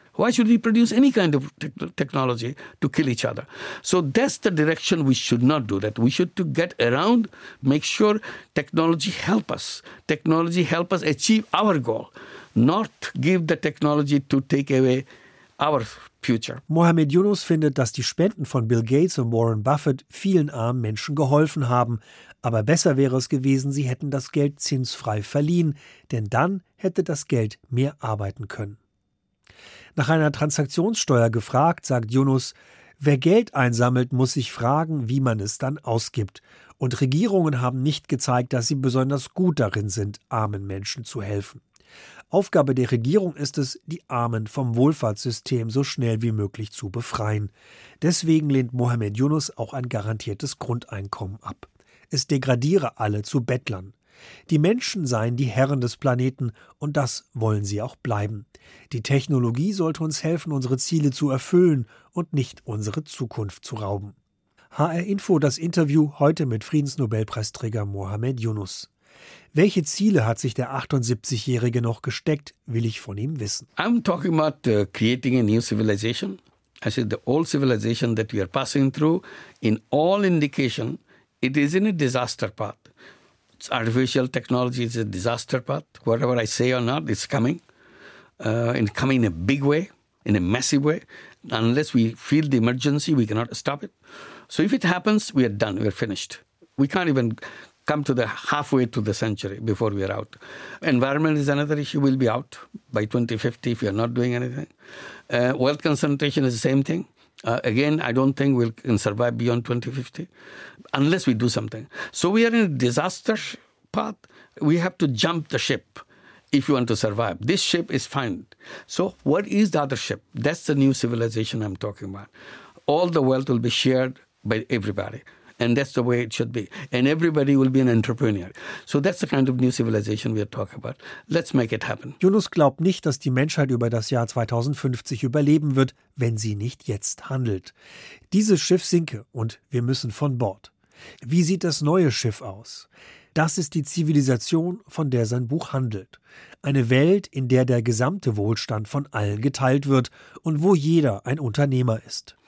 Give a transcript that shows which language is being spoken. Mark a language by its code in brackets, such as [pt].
[en] Why should we produce any kind of technology to kill each other? So that's the direction we should not do that. We should to get around, make sure technology help us. Technology help us achieve our goal, not give the technology to take away our future. [de] Mohamed Yunus findet, dass die Spenden von Bill Gates und Warren Buffett vielen armen Menschen geholfen haben. Aber besser wäre es gewesen, sie hätten das Geld zinsfrei verliehen, denn dann hätte das Geld mehr arbeiten können. Nach einer Transaktionssteuer gefragt, sagt Yunus, wer Geld einsammelt, muss sich fragen, wie man es dann ausgibt. Und Regierungen haben nicht gezeigt, dass sie besonders gut darin sind, armen Menschen zu helfen. Aufgabe der Regierung ist es, die Armen vom Wohlfahrtssystem so schnell wie möglich zu befreien. Deswegen lehnt Mohamed Yunus auch ein garantiertes Grundeinkommen ab. Es degradiere alle zu Bettlern. Die Menschen seien die Herren des Planeten und das wollen sie auch bleiben. Die Technologie sollte uns helfen, unsere Ziele zu erfüllen und nicht unsere Zukunft zu rauben. HR Info, das Interview heute mit Friedensnobelpreisträger Mohamed Yunus. Welche Ziele hat sich der 78-Jährige noch gesteckt, will ich von ihm wissen. [en] I'm talking about creating a new civilization. I said the old civilization that we are passing through, in all indication, it is in a disaster path. Artificial technology is a disaster path. Whatever I say or not, it's coming. And coming in a big way, in a massive way. Unless we feel the emergency, we cannot stop it. So if it happens, we are done. We are finished. We can't even come to the halfway to the century before we are out. Environment is another issue. We'll be out by 2050 if we are not doing anything. Wealth concentration is the same thing. Again, I don't think we can survive beyond 2050 unless we do something. So we are in a disaster path. We have to jump the ship if you want to survive. This ship is fine. So what is the other ship? That's the new civilization I'm talking about. All the wealth will be shared by everybody. And that's the way it should be. And everybody will be an entrepreneur. So that's the kind of new civilization we are talking about. Let's make it happen. [de] Yunus glaubt nicht, dass die Menschheit über das Jahr 2050 überleben wird, wenn sie nicht jetzt handelt. Dieses Schiff sinke und wir müssen von Bord. Wie sieht das neue Schiff aus? Das ist die Zivilisation, von der sein Buch handelt. Eine Welt, in der der gesamte Wohlstand von allen geteilt wird und wo jeder ein Unternehmer ist.